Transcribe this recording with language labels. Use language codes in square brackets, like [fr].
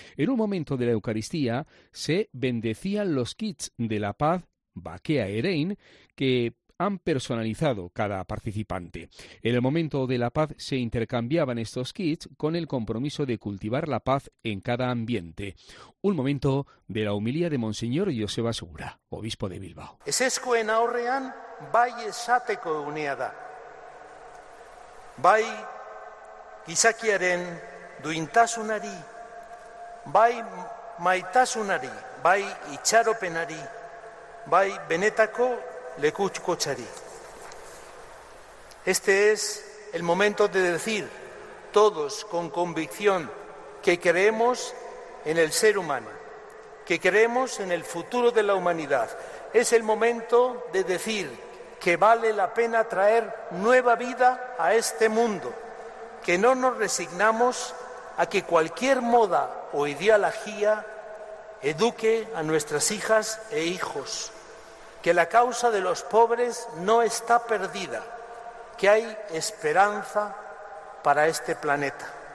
[es] En un momento de la Eucaristía se bendecían los kits de la paz Baquea Erein, que han personalizado cada participante. En el momento de la paz se intercambiaban estos kits con el compromiso de cultivar la paz en cada ambiente. Un momento de la homilía de Monseñor Joseba Segura, obispo de Bilbao. [eu] Ezezkoen aurrean bai esateko unea da. Bai gizakiaren duintasunari, bai maitasunari, bai itxaropenari, bai benetako lekutxkotxari. [es] Este es el momento de decir todos con convicción que creemos en el ser humano, que creemos en el futuro de la humanidad. Es el momento de decir que vale la pena traer nueva vida a este mundo, que no nos resignamos a que cualquier moda o ideología eduque a nuestras hijas e hijos, que la causa de los pobres no está perdida, que hay esperanza para este planeta.